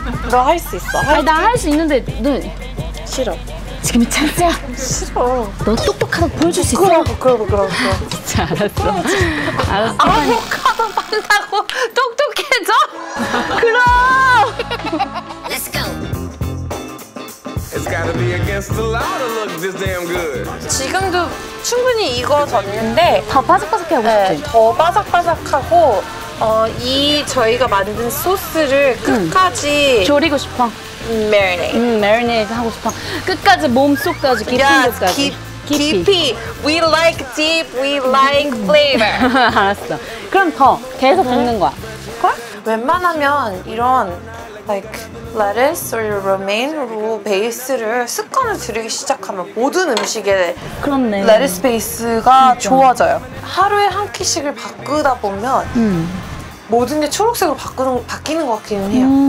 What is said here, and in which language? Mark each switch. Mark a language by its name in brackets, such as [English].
[Korean] 너 할 수 있어. 아니 나 할 수 있는데 너 싫어. 지금이 찬스야. 싫어. 너 똑똑하다고 보여줄 수 있어? 그럼. 알았어. 아보카도 판다고 똑똑해져? 그럼. [English] Let's go. It's gotta be against the law to look this damn good. [Korean] 지금도 충분히 이거 졌는데 더 바삭바삭해 하고 싶지? 더 바삭바삭하고 이 저희가 만든 소스를 끝까지 조리고 싶어. 마리네이드 하고 싶어. 끝까지 몸속까지 깊은 곳까지. Yes, 깊이. [English] We like deep, we like flavor. [Korean] 알았어. 그럼 더 계속 볶는 거야. 그래? 웬만하면 이런 [English] like lettuce or romaine [Korean] 로 베이스를 습관을 들이기 시작하면 모든 음식에 그렇네. 레티스 베이스가 그렇죠. 좋아져요. 하루에 한 끼씩을 바꾸다 보면 모든 게 초록색으로 바뀌는 것 같기는 해요.